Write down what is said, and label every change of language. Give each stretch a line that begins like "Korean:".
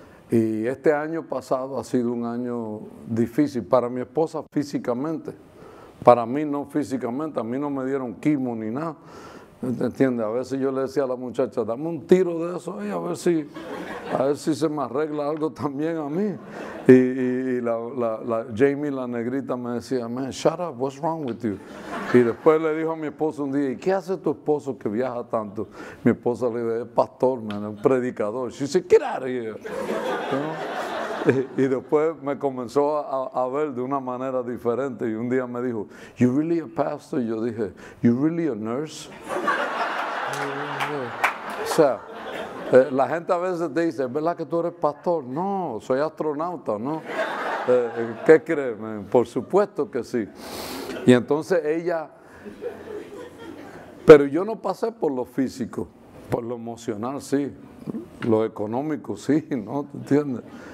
Spanish: Y este año pasado ha sido un año difícil para mi esposa físicamente. Para mí no físicamente, a mí no me dieron quimo ni nada. ¿Entiendes? A veces yo le decía a la muchacha, dame un tiro de eso ahí, a ver si se me arregla algo también a mí. Y la Jamie, la negrita, me decía,
English: man, shut up, what's wrong with you?
Spanish: Y después le dijo a mi esposo un día, ¿y qué hace tu esposo que viaja tanto? Mi esposa le dijo, es pastor, man, es predicador.
English: She said, get out of here.
Spanish: ¿No? Y después me comenzó a ver de una manera diferente. Y un día me dijo,
English: you really a pastor?
Spanish: Y yo dije,
English: you really a nurse?
Spanish: O sea, la gente a veces te dice, ¿es verdad que tú eres pastor? No, soy astronauta, ¿no? ¿Qué crees, man? Por supuesto que sí. Y entonces ella, pero yo no pasé por lo físico, por lo emocional sí, lo económico sí, ¿no? ¿Te entiendes?